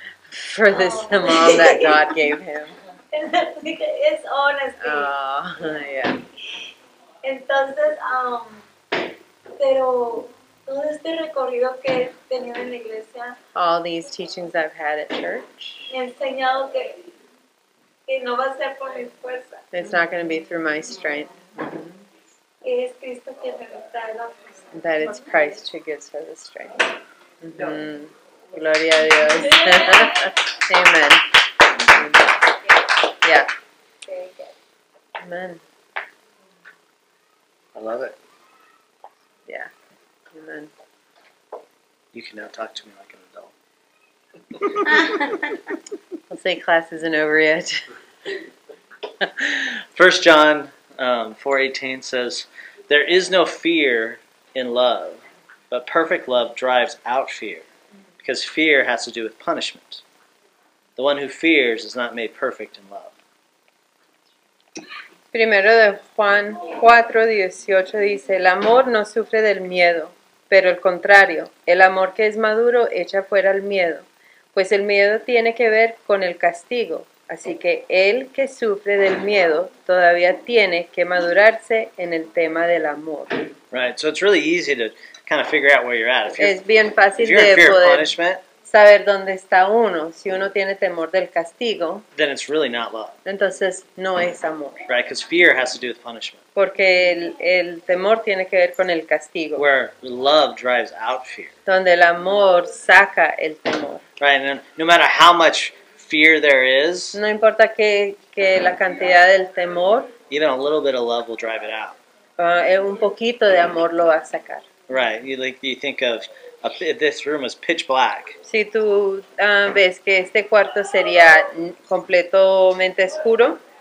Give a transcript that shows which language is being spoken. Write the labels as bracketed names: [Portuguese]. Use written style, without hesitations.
[English] For this, the mom that God gave him. It's honesty. Oh, yeah. [Spanish] Entonces, pero todo este recorrido que he tenido en la iglesia. [English] All these teachings I've had at church. [Spanish] Me ha enseñado que no va a ser por mi fuerza. [English] It's not going to be through my strength. That it's Christ who gives her the strength. [Spanish] Mm-hmm. Gloria a Dios. Amen. Yeah. Amen. [English] I love it. Yeah. Amen. You can now talk to me like an adult. I'll say class isn't over yet. 1 John 4:18 says, there is no fear in love, but perfect love drives out fear, because fear has to do with punishment. The one who fears is not made perfect in love. [Spanish] Primero de Juan 4:18 dice, el amor no sufre del miedo, pero el contrario, el amor que es maduro echa fuera el miedo, pues el miedo tiene que ver con el castigo. Así que el que sufre del miedo todavía tiene que madurarse en el tema del amor. [English] Right, so it's really easy to kind of figure out where you're at. [Spanish] Es bien fácil de poder [English] punishment, [Spanish] saber dónde está uno. Si uno tiene temor del castigo, [English] then it's really not love. [Spanish] Entonces no es amor. [English] Right, because fear has to do with punishment. [Spanish] Porque el temor tiene que ver con el castigo. [English] Where love drives out fear. [Spanish] Donde el amor saca el temor. [English] Right, and no matter how much fear there is. [Spanish] No importa que la cantidad del temor. [English] Even a little bit of love will drive it out. [Spanish] Un poquito de amor lo va a sacar. [English] Right. You like you think of this room is pitch black. [Spanish] Si tú ves que este cuarto sería completamente oscuro.